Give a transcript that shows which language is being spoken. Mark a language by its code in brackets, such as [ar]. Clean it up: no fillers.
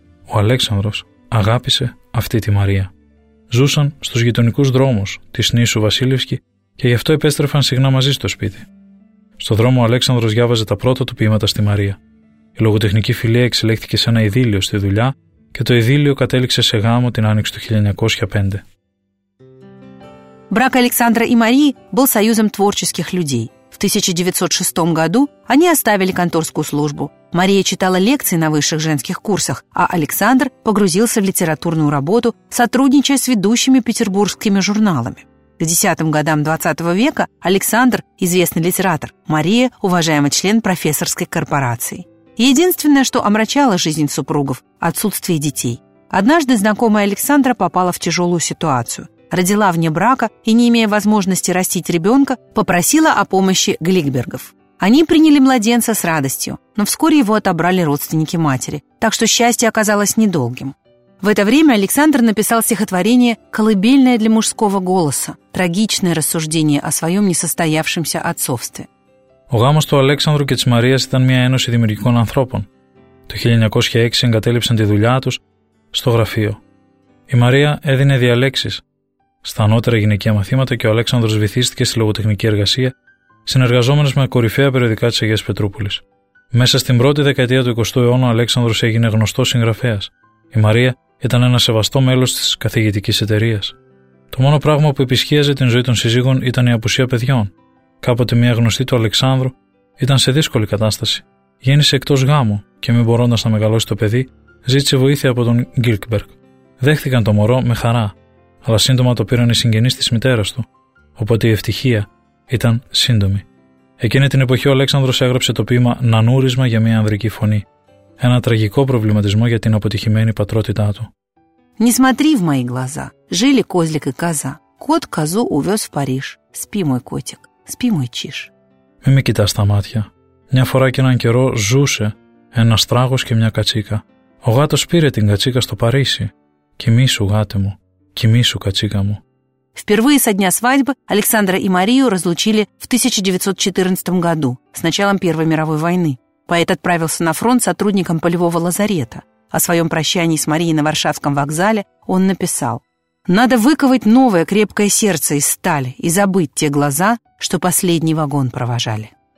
[el] Ο Αλέξανδρος αγάπησε αυτή τη Μαρία. Ζούσαν στους γειτονικούς δρόμους της νήσου Βασίλευσκη και γι' αυτό επέστρεφαν συχνά μαζί στο σπίτι. Στο δρόμο ο Αλέξανδρος διάβαζε τα πρώτα του ποίηματα στη Μαρία. Η λογοτεχνική φιλία εξελέχθηκε σε ένα ειδύλιο στη δουλειά και το ειδύλιο κατέληξε σε γάμο την άνοιξη του 1905. [ru] Брак Александра и Марии был союзом творческих людей. В 1906 году они оставили конторскую службу. Мария читала лекции на высших женских курсах, а Александр погрузился в литературную работу, сотрудничая с ведущими петербургскими журналами. К 10-м годам 20 века Александр – известный литератор, Мария – уважаемый член профессорской корпорации. Единственное, что омрачало жизнь супругов – отсутствие детей. Однажды знакомая Александра попала в тяжелую ситуацию. Родила вне брака и, не имея возможности растить ребенка, попросила о помощи Гликбергов. Они приняли младенца с радостью, но вскоре его отобрали родственники матери, так что счастье оказалось недолгим. В это время Александр написал стихотворение «Колыбельное для мужского голоса» – трагичное рассуждение о своем несостоявшемся отцовстве. [el] Ο γάμος του Αλέξανδρου και της Μαρίας ήταν μια ένωση δημιουργικών ανθρώπων. Το 1906 εγκατέλειψαν τη δουλειά τους στο γραφείο. Η Μαρία έδινε διαλέξεις στα ανώτερα γυναικεία μαθήματα και ο Αλέξανδρος βυθίστηκε στη λογοτεχνική εργασία, συνεργαζόμενος με κορυφαία περιοδικά της Αγίας Πετρούπολης. Μέσα στην πρώτη δεκαετία του 20ου αιώνα ο Αλέξανδρος έγινε γνωστός συγγραφέας. Η Μαρία ήταν ένα σεβαστό μέλος της καθηγητικής εταιρείας. Το μόνο πράγμα που επισχίαζε την ζωή των συζύγων ήταν η απουσία παιδιών. Κάποτε μια γνωστή του Αλεξάνδρου ήταν σε δύσκολη κατάσταση. Γέννησε εκτός γάμου και μην μπορώντας να μεγαλώσει το παιδί, ζήτησε βοήθεια από τον Γκλίκμπεργκ. Δέχτηκαν το μωρό με χαρά, αλλά σύντομα το πήραν οι συγγενείς της μητέρας του, οπότε η ευτυχία ήταν σύντομη. Εκείνη την εποχή ο Αλέξανδρος έγραψε το ποίημα «Νανούρισμα για μια ανδρική φωνή», ένα τραγικό προβληματισμό για την αποτυχημένη πατρότητά του. [ru] «Не смотри в мои глаза, жили козлик и коза, кот козу увез в Париж, спи мой котик, спи мой чиш». [el] «Μη με κοιτάς τα μάτια, μια φορά και έναν καιρό ζούσε ένα στράγος και μια κατσίκα. Ο γάτος πήρε την κατσίκα στο Παρίσι, κοιμήσου γάτε μου, κοιμήσου κατσίκα μου». [ru] Впервые со дня свадьбы Александра и Марию разлучили в 1914 году, с началом Первой мировой войны. Поэт отправился на фронт сотрудником полевого лазарета. О своем прощании с Марией на Варшавском вокзале он написал: «Надо выковать новое крепкое сердце из стали и забыть те глаза, что последний вагон провожали».